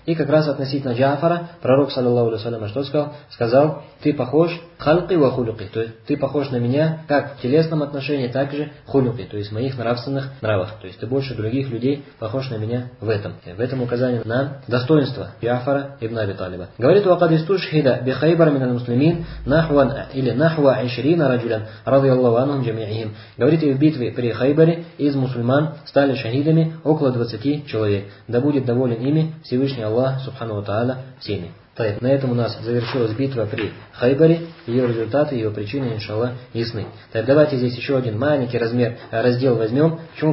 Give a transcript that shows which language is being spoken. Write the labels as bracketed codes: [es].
[ru] И как раз относительно Джафара, пророк, саллаллаху алейхи ва саллям, что сказал? Сказал, ты похож халки ва хулюки, то есть ты похож на меня как в телесном отношении, так же хулюки, то есть в моих нравственных нравах. То есть ты больше других людей похож на меня в этом. В этом указание на достоинство Джафара ибн Аби Талиба. Говорит, [ar] وقد استشهد بخيبر من المسلمين نحو الى نحو 20 رجلا رضي الله عنهم جميعهم. [ru] Говорит, в битве при Хайбаре из мусульман стали шахидами около 20 человек. Да будет доволен ими Всевышний Аллах субхана ва тааля всеми. Так, на этом у нас завершилась битва при Хайбаре. Ее результаты, ее причины, иншаллах, ясны. Так, давайте здесь еще один маленький размер, раздел возьмем. Почему?